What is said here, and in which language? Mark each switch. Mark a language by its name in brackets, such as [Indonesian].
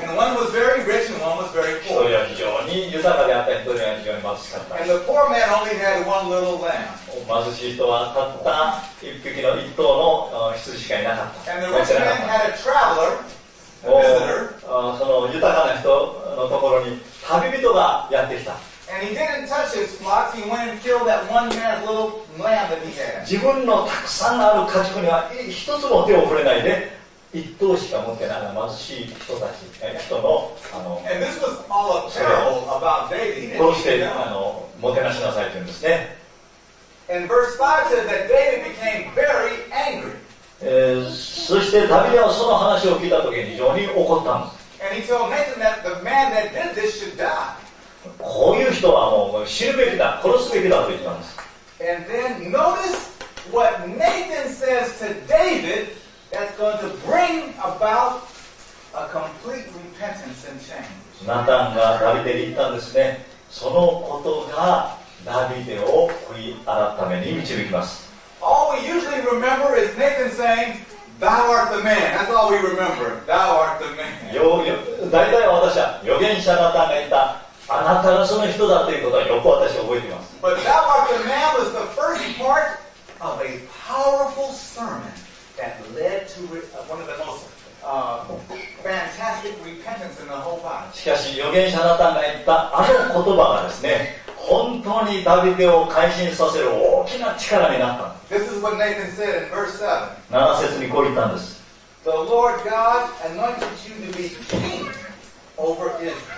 [English] And one was very rich and one was very poor. [Japanese] 一人は非常に豊かであった、一人は非常に貧しかった。 [English] And the poor man only had one little lamb. [Japanese] 貧しい人はたった一匹の一頭の羊しかいなかった。 [English] And the rich man had a traveler, a visitor. [Japanese] その豊かな人のところに旅人がやってきた。 [English] And he didn't touch his flocks. He went and killed that one man's little lamb that he had. [Japanese] 自分のたくさんある家畜には一つも手を触れないで。一頭しか持ってない貧しい人たち、人の、 [English] And this was all a parable about David. [Japanese] どうして、もてなしなさいというんですね。 [English] And verse 5 says that David became very angry. [Japanese] そしてダビデはその話を聞いたときに非常に怒ったんです。 [English] And he told Nathan that the man that did this should die. [Japanese] こういう人はもう死ぬべきだ、殺すべきだと言ったんです。 [English] And then notice what Nathan says to David. That's going to bring about a complete repentance and change. [Japanese] ナタンがダビデに言ったんですね。そのことがダビデを悔い改めに導きます。 [English] All we usually remember is Nathan saying, "Thou art the man." That's all we remember. Thou art the man. [Japanese] 大体私は預言者ナタンが言った、あなたがその人だということはよく私は覚えています。 [English] But "Thou art the man" was the first part of a powerful sermon. That led to one of the most fantastic repentance in the whole Bible. [Japanese] しかし預言者ナタンが言ったあの言葉がですね、本当にダビデを改心させる大きな力になった。 [English] This is what Nathan said in verse 7. [Japanese] 7節にこう言ったんです。 [English] The Lord God anointed you to be king over Israel.